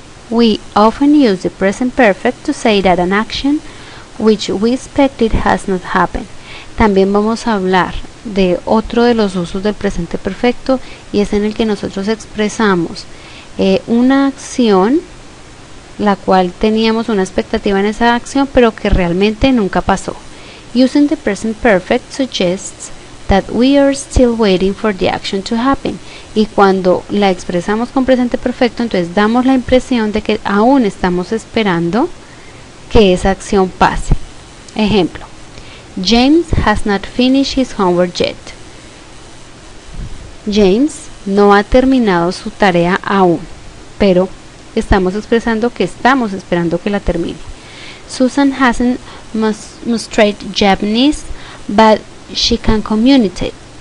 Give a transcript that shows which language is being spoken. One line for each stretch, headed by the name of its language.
English: We often use the present perfect to say that an action which we expected has not happened.
Spanish: También vamos a hablar de otro de los usos del presente perfecto, y es en el que nosotros expresamos una acción la cual teníamos una expectativa en esa acción pero que realmente nunca pasó.
English: Using the present perfect suggests that we are still waiting for the action to happen.
Spanish: Y cuando la expresamos con presente perfecto, entonces damos la impresión de que aún estamos esperando que esa acción pase.
English: Ejemplo: James has not finished his homework yet.
Spanish: James no ha terminado su tarea aún, pero estamos expresando que estamos esperando que la termine.
English: Susan hasn't mastered Japanese, but she can communicate.